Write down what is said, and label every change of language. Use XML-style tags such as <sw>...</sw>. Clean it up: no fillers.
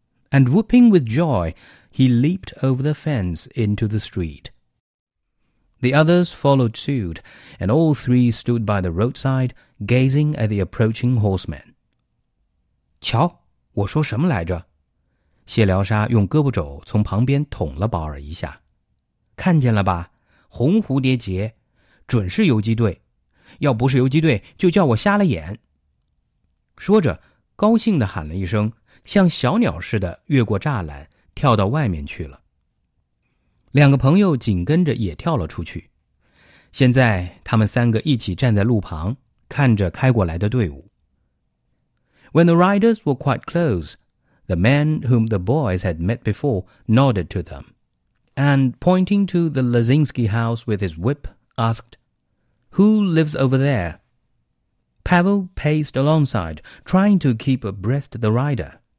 <en>And whooping with joy, he leaped over the fence into the street. The others followed suit, and all three stood by the roadside, gazing at the approaching horsemen.</en> <zh>瞧，我说什么来着？谢辽沙用胳膊肘从旁边捅了保尔一下。看见了吧，红蝴蝶结，准是游击队，要不是游击队就叫我瞎了眼。说着高兴地喊了一声，像小鸟似的越过栅栏跳到外面去了。两个朋友紧跟着也跳了出去。现在他们三个一起站在路旁看着开过来的队伍。</zh> <en>When the riders were quite close, the man whom the boys had met before nodded to them, and pointing to the Lazinski house with his whip, asked, Who lives over there? Pavel paced alongside, trying to keep abreast the rider.</en>